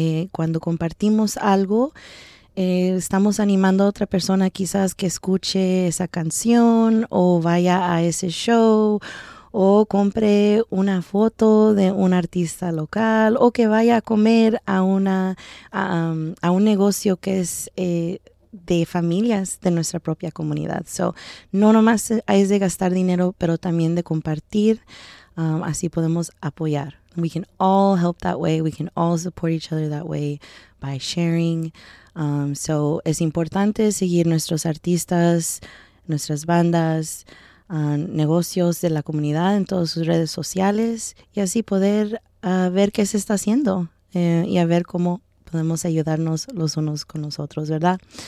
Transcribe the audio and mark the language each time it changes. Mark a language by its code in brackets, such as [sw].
[es] Cuando compartimos algo, estamos animando a otra persona quizás que escuche esa canción o vaya a ese show o compre una foto de un artista local o que vaya a comer a un negocio que es de familias de nuestra propia comunidad. So, no nomás es de gastar dinero, pero también de compartir. Así podemos apoyar. [en] We can all help that way. We can all support each other that way by sharing. [es] So es importante seguir nuestros artistas, nuestras bandas, negocios de la comunidad en todas sus redes sociales y así poder ver qué se está haciendo y a ver cómo podemos ayudarnos los unos con los otros, ¿verdad?